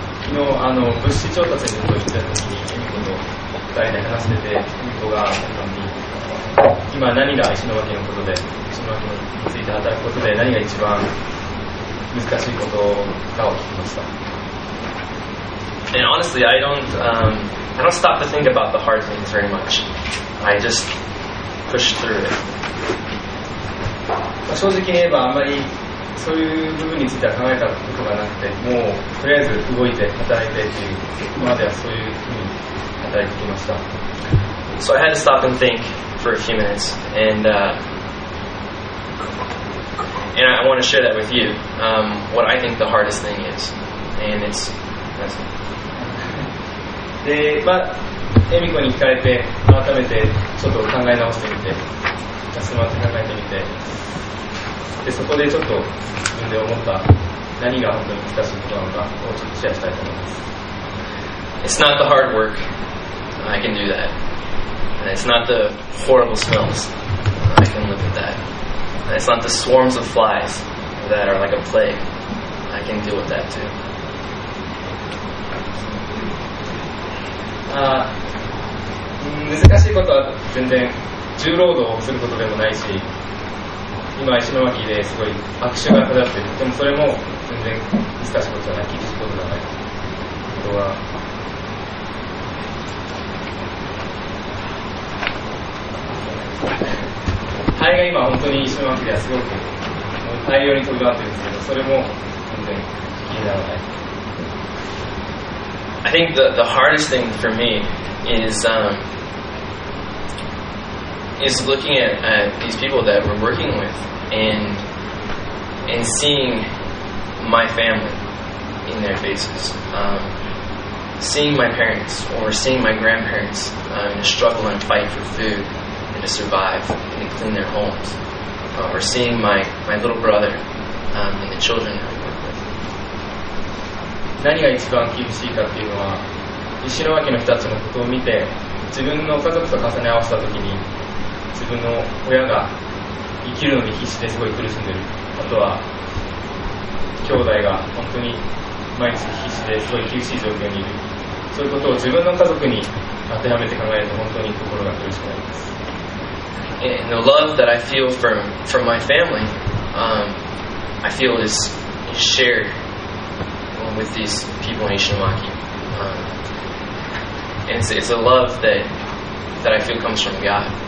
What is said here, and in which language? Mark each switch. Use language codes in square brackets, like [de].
[ja] 今何が石巻のことで石巻について働くことで何が一番難しいことかを聞きました。 [en] And honestly, I don't stop to think about the hard things very much. I just push through it. [ja] 正直言えばあんまりそういう部分については考えたことがなくて、もうとりあえず動いて働いてという、今まではそういうふうに働いてきました。 [en] So I had to stop and think for a few minutes, and and I want to share that with you, what I think the hardest thing is. And it's... That's it. [ja] で、まあ、エミコに聞かれて、改めてちょっと考え直してみて、休まって考えてみて、で、そこでちょっと自分で思った何が本当に難しいことなのかをちょっとシェアしたいと思います。 [en] It's not the hard work. I can do that. And it's not the horrible smells. I can live with that. And it's not the swarms of flies that are like a plague. I can deal with that too. [ja] あ、難しいことは全然重労働をすることでもないし、今石巻ですごい悪臭が漂っている。でもそれも全然難しいことじゃない、厳しいことじゃない。あとは、ハエが今本当に石巻ではすごく大量に飛び回ってるんですけど、それも全然気にならない。 [en] I think the hardest thing for me is looking at these people that we're working with and seeing my family in their faces. Seeing my parents or seeing my grandparents struggle and fight for food and to survive and to clean their homes. Or seeing my little brother and the children that we work with. [ja] 何が一番厳しいかっていうのは、石巻の人たちのことを見て、自分の家族と重ね合わせたときに、自分の親が生きるのに必死ですごい苦しんでる。あとは、兄弟が本当に毎日必死ですごい厳しい状況にいる。そういうことを自分の家族に当てはめて考えると本当に心が苦しくなります。 [en] And the love that I feel from my family, I feel is shared with these people in Ishinomaki. And it's a love that I feel comes from God.